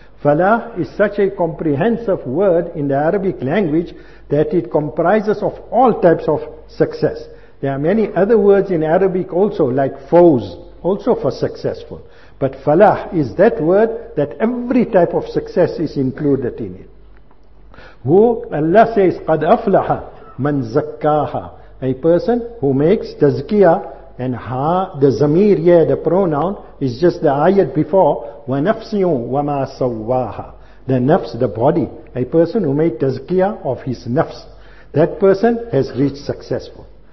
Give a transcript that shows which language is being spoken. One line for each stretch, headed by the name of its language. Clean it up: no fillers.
English: Falah is such a comprehensive word in the Arabic language that it comprises of all types of success. There are many other words in Arabic also, like fawz, also for successful. But falah is that word that every type of success is included in it. Who Allah says,
Arabic: قَدْ أَفْلَحَ مَنْ زَكَّاهَا.
English: A person who makes tazkiyah, and ha, the zamir, yeah, the pronoun, is just the ayat before,
Arabic: وَنَفْسِيُمْ وَمَا سَوَّاهَا.
English: The nafs, the body, a person who made tazkiyah of his nafs, that person has reached successful.